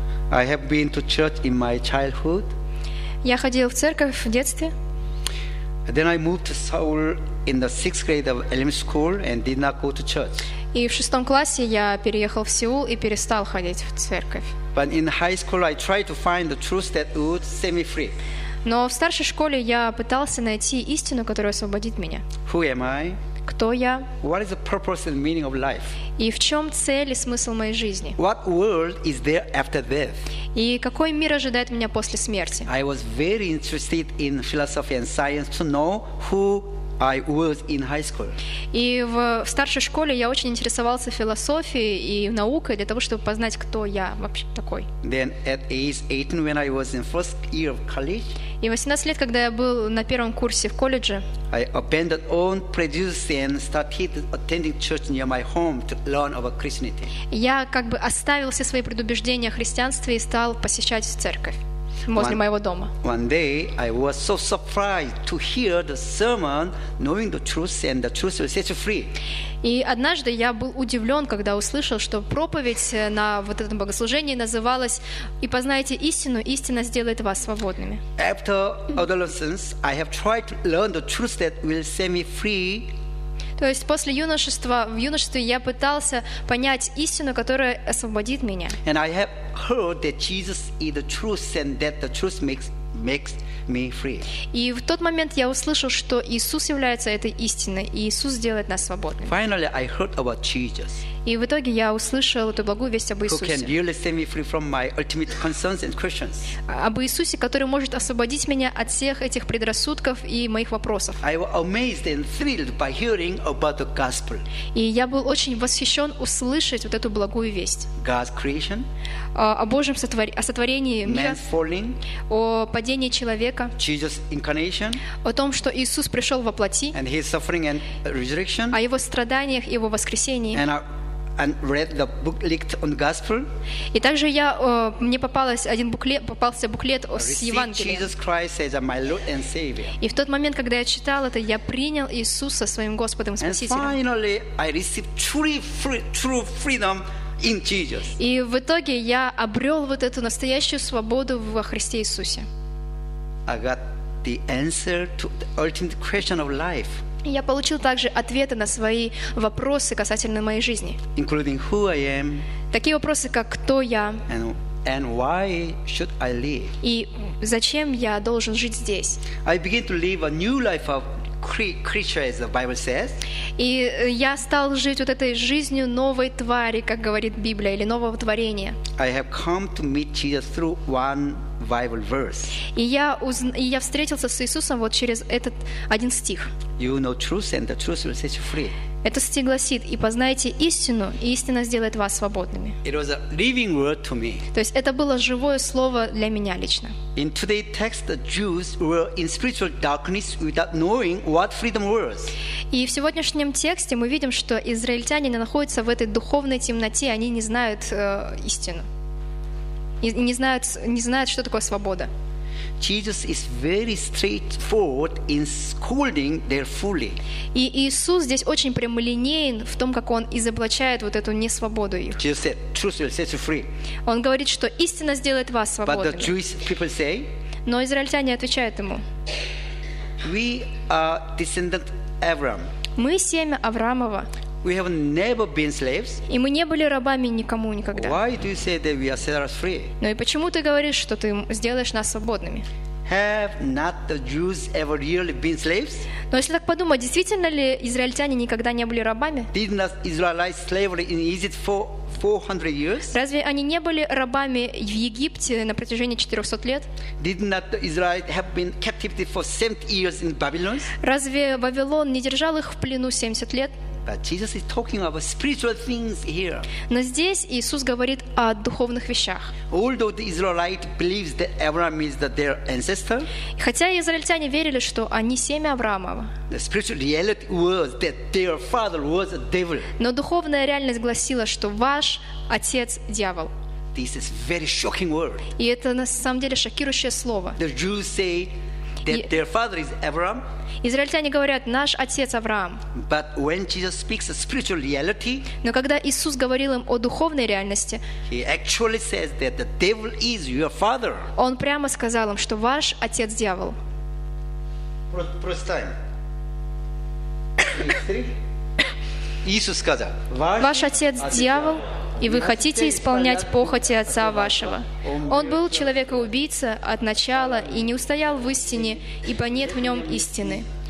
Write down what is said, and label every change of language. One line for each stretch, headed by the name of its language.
English: I have been to church in my childhood.
Russian: Я ходил в церковь в детстве.
English: Then I moved to Seoul in the sixth grade of elementary school and did not go to church.
Russian: И в шестом классе я переехал в Сеул и перестал ходить в церковь.
English: But in high school I tried to find the truth that would set me free.
Russian: Но в старшей школе я пытался найти истину, которая освободит меня.
English: Who am I?
Russian: Кто я?
English: What is the purpose and meaning of life?
Russian: И в чем цель и смысл моей жизни?
English: What world is there after death?
Russian: И какой мир ожидает меня после смерти?
English: I was very interested in philosophy and science to know who I was in high school.
Russian: И в старшей школе я очень интересовался философией и наукой для того, чтобы познать, кто я вообще такой.
English: Then at age 18, when I was in first year of college.
Russian: И в 18 лет, когда я был на первом курсе в колледже.
English: I abandoned all prejudices and started attending church near my home to learn about Christianity.
Russian: Я как бы оставил все свои предубеждения о христианстве и стал посещать церковь. Возле моего дома.
English: One day I was so surprised to hear the sermon, knowing the truth, and the truth will set you free.
Russian: И однажды я был удивлен, когда услышал, что проповедь на вот этом богослужении называлась «И познайте истину, истина сделает вас свободными».
English: After adolescence, I have tried to learn the truth that will set me free.
Russian: То есть после юношества, в юношестве я пытался понять истину, которая освободит меня.
English: And I have heard that Jesus is the truth and that the truth makes me free.
Russian: И в тот момент я услышал, что Иисус является этой истиной, и Иисус делает нас свободными.
English: Finally, I heard about Jesus.
Russian: И в итоге я услышал эту благую весть об Иисусе.
English: Who can really set me free from my ultimate concerns and questions?
Russian: Об Иисусе, который может освободить меня от всех этих предрассудков и моих вопросов.
English: I was amazed and thrilled by hearing about the gospel.
Russian: И я был очень восхищен услышать вот эту благую весть.
English: God's creation.
Russian: О Божьем сотворении мира.
English: Man's falling.
Russian: О падении человека.
English: Jesus' incarnation.
Russian: О том, что Иисус пришел во плоти.
English: And his suffering and resurrection.
Russian: О его страданиях и его воскресении.
English: And read the booklet on gospel.
Russian: И также я мне попалась один буклет, попался буклет с Евангелием.
English: Jesus Christ as my Lord and Savior.
Russian: И в тот момент, когда я читал это, я принял Иисуса своим Господом и Спасителем.
English: And finally, I received true freedom in Jesus.
Russian: И в итоге я обрел вот эту настоящую свободу во Христе Иисусе.
English: I got the answer to the ultimate question of life.
Russian: Я получил также ответы на свои вопросы касательно моей жизни.
English: Including who I am,
Russian: такие вопросы, как «Кто я?»
English: and why should I live?
Russian: И «Зачем я должен жить здесь?»
English: I begin to live a new life of creature, as the Bible says.
Russian: И я стал жить вот этой жизнью новой твари, как говорит Библия, или нового творения.
English: I have come to meet Jesus through one Bible verse.
Russian: И я встретился с Иисусом вот через этот один стих.
English: You know truth, and the truth will set you free.
Russian: Это стих гласит: «И познайте истину, и истина сделает вас свободными».
English: It was a living word to me.
Russian: То есть это было живое слово для меня лично.
English: In today's text, the Jews were in spiritual darkness without knowing what freedom was.
Russian: И в сегодняшнем тексте мы видим, что израильтяне находятся в этой духовной темноте, они не знают истину. Не знают, что такое свобода.
English: Jesus is very straightforward in scolding their folly.
Russian: И Иисус здесь очень прямолинеен в том, как он изоблачает вот эту несвободу их.
English: Jesus said, "Truth will set you free."
Russian: Он говорит, что истина сделает вас свободными.
English: But the Jewish people say,
Russian: но израильтяне отвечают ему:
English: "We are descendants of Abraham.
Russian: Мы семя Авраамова.
English: We have never been slaves.
Russian: И мы не были рабами никому никогда.
English: Why do you say that we are set us free?
Russian: Но и почему ты говоришь, что ты сделаешь нас свободными?
English: Have not the Jews ever really been slaves?
Russian: Но если так подумать, действительно ли израильтяне никогда не были рабами?
English: Did not Israelite slavery in Egypt for 400 years?
Russian: Разве они не были рабами в Египте на протяжении 400 лет?
English: Did not the Israelites have been captive for 70 years in Babylon?
Russian: Разве Вавилон не держал их в плену 70 лет?
English: But Jesus is talking about spiritual things here.
Russian: Но здесь Иисус говорит о духовных вещах.
English: Although the Israelites believed that Abraham is their ancestor,
Russian: хотя израильтяне верили, что они семя Авраамова,
English: the spiritual reality was that their father was a devil.
Russian: Но духовная реальность гласила, что ваш отец дьявол.
English: This is very shocking word.
Russian: И это на самом деле шокирующее слово.
English: The Jews say their father is Abraham.
Russian: Израильтяне говорят: наш отец Авраам.
English: But when Jesus speaks of spiritual reality,
Russian: но когда Иисус говорил им о духовной реальности,
English: he actually says that the devil is your father.
Russian: Он прямо сказал им, что ваш отец дьявол. Простаем. Иисус сказал: ваш отец дьявол, и вы хотите исполнять похоти отца вашего. Он был человекоубийца от начала и не устоял в истине, ибо нет в нем истины.